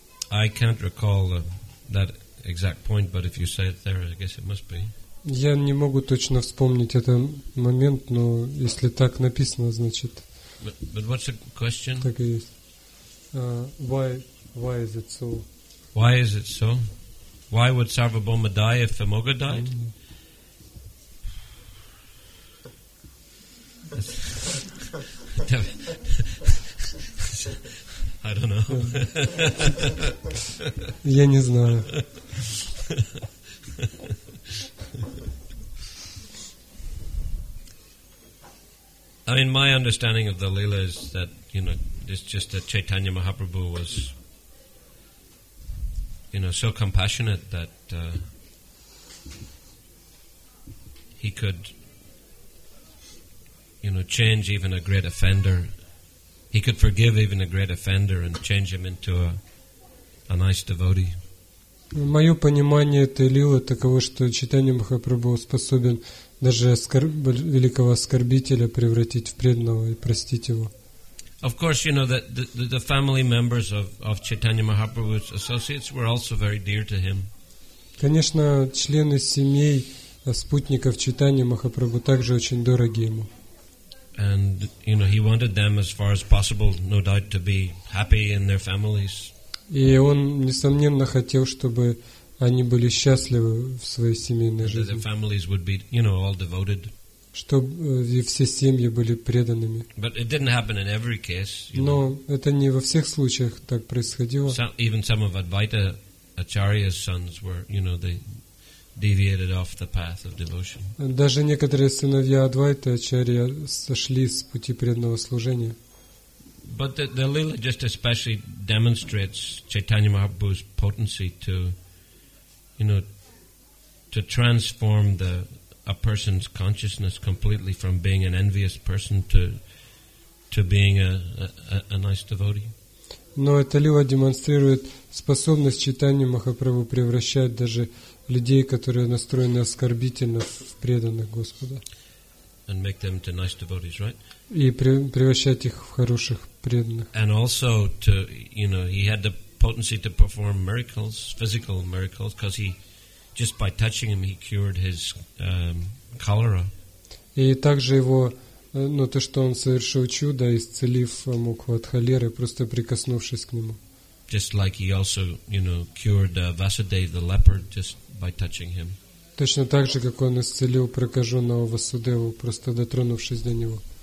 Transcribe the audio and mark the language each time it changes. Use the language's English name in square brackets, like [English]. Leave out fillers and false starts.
[English] I can't recall that exact point, but if you say it there, I guess it must be. [Russian] Я не могу точно вспомнить этот момент, но если так написано, значит. [English] But what's the question? [Russian] Так и есть. [English] Why is it so? Why is it so? Why would Sarvabhauma die if Amukha died? I don't know. [Russian] Я не знаю. [English] I mean, my understanding of the Leela is that, you know, it's just that Chaitanya Mahaprabhu was, you know, so compassionate that he could, you know, change even a great offender. He could forgive even a great offender and change him into a nice devotee. [Russian] Мое понимание этой лилы таково, что Чайтанья Махапрабху способен даже великого оскорбителя превратить в преданного и простить его. [English] Of course, you know that the family members of Chaitanya Mahaprabhu's associates were also very dear to him. [Russian] Конечно, члены семей спутников Чайтанья Махапрабху также очень дороги ему. [English] And you know, he wanted them as far as possible, no doubt, to be happy in their families. [Russian] И он несомненно хотел, чтобы они были счастливы в своей семейной жизни. [English] That the families would be, you know, all devoted. [Russian] Чтобы все семьи были преданными. [English] But it didn't happen in every case. [Russian] Но это не во всех случаях так происходило. [English] Even some of Advaita Acharya's sons were, you know, they deviated off the path of devotion. [Russian] Даже некоторые сыновья Адвайты Ачарьи сошли с пути преданного служения. [English] But the Leela just especially demonstrates Chaitanya Mahaprabhu's potency to, you know, to transform a person's consciousness completely from being an envious person to being a nice devotee. [Russian] Но эта лила демонстрирует способность Чайтанья Махапрабху превращать даже людей, которые настроены оскорбительно, в преданных Господа. [English] And make them to nice devotees, right? [Russian] И превращать их в хороших преданных. [English] And also to, you know, he had the potency to perform miracles, physical miracles, because he, just by touching him, he cured his cholera. [Russian] И также его, ну, то, что он совершил чудо, исцелив Амукху от холеры, просто прикоснувшись к нему. [English] Just like he also, you know, cured Vasudev the leper just by touching him. [Russian] Точно так же, как он исцелил прокаженного Васудеву, просто дотронувшись до него.